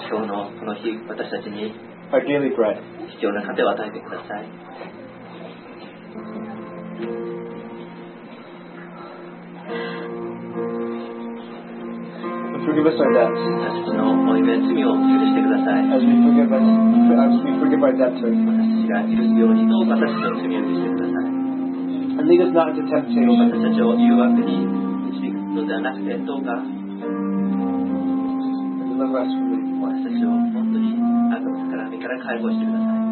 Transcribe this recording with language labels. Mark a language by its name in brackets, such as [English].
[Japanese] 今日のこの日、私たちに [English] our daily bread. [Japanese] 必要な糧を与えてください。 [English] Forgive us our debts. [Japanese] 私たちの負い目、罪を許してください。 [English] As we forgive us, as we forgive our debtors. [Japanese] 私たちが許すように、どうか私の罪を許してください。 [English] And lead us not into temptation. [Japanese] 私たちを誘惑に導くのではなくて、どうか [English] deliver us from evil. [Japanese] 私たちを本当に悪魔から身から解放してください。